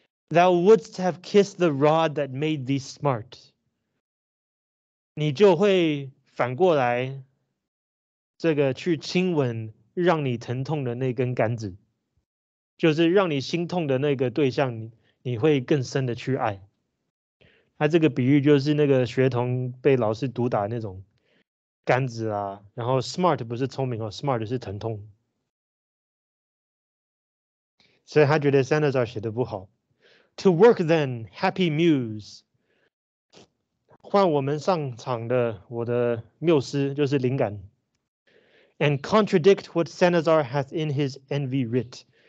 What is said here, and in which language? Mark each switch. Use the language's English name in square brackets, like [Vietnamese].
[English] Thou wouldst have kissed the rod that made thee smart. [Chinese] 你就会反过来，这个去亲吻让你疼痛的那根杆子，就是让你心痛的那个对象，你会更深的去爱。他这个比喻就是那个学童被老师毒打那种杆子啊，然后 smart 不是聪明哦， smart 是疼痛。所以他觉得 Sanazar 写的不好。 [English] To work then, happy muse. [Chinese] 换我们上场的我的缪斯就是灵感。 [English] And contradict what Sanazar hath in his envy writ.